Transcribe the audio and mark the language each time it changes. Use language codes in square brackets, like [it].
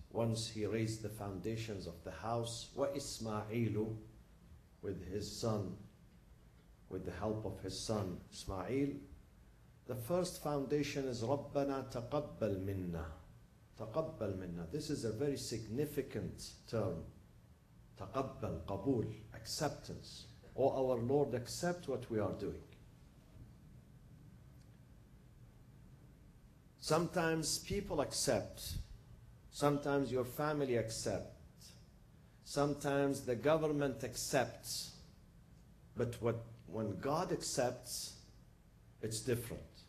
[en] Once he raised the foundations of the house, وَإِسْمَعِيلُ, with his son, with the help of his son Ismail. The first foundation is [ar] رَبَّنَا تَقَبَّلْ مِنَّا. تَقَبَّلْ مِنَّا. [en] This is a very significant term. [ar] تَقَبَّلْ, قَبُول, [en] acceptance. O our Lord, accept what we are doing. Sometimes people accept. Sometimes your family accepts. Sometimes the government accepts. But when God accepts, it's different.